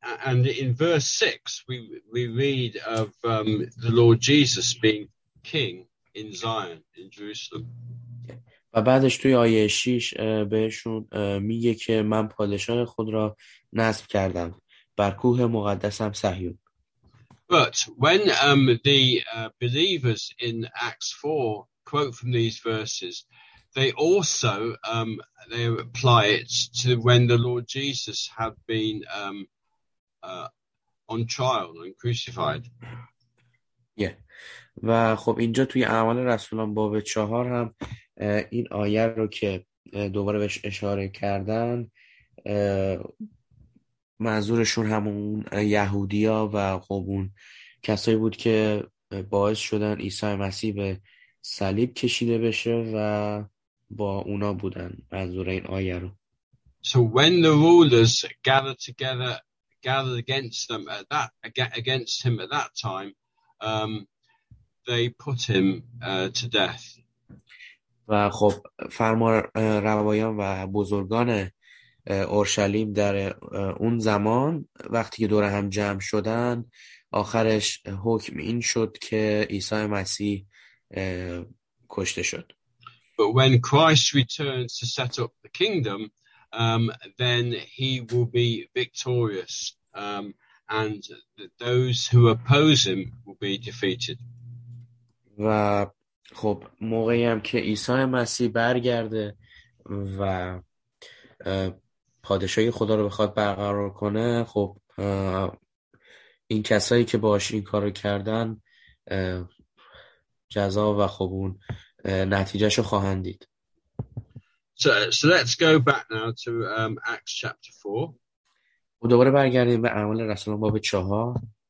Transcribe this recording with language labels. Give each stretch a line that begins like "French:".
English: And in verse 6 we read of the Lord Jesus being king in Zion in Jerusalem.
Persian: و بعدش توی آیه 6 بهشون میگه که من پادشاه خود را نصب کردم بر کوه مقدسم صهیون.
English: But when the believers in Acts 4 quote from these verses, they also they apply it to when the Lord Jesus had been on trial and crucified. Yeah.
Persian: و خب اینجا توی اعمال رسولان باب 4 هم این آیه رو که دوباره بهش اشاره کردن منظورشون همون یهودیا و خب اون کسایی بود که باعث شدن عیسی مسیح به صلیب کشیده بشه و با اونا بودن منظور این آیه رو.
English: So when the rulers gathered against him at that time they put him to death.
Persian: و خب فرمان روایان و بزرگان اورشلیم در اون زمان وقتی که دور هم جمع شدن آخرش حکم این شد که عیسی مسیح کشته شد.
English: But when Christ returns to set up the kingdom, then he will be victorious, and those who oppose him will be defeated.
Persian: و خب موقعی هم که عیسی مسیح برگرده و پادشاهی خدا رو بخواد برقرار کنه خب این کسایی که باش این کار رو کردن جزا و خب اون نتیجهشو خواهند دید.
English: So let's go back now to Acts chapter 4.
Persian: دوباره برگردیم به اعمال رسولان باب 4.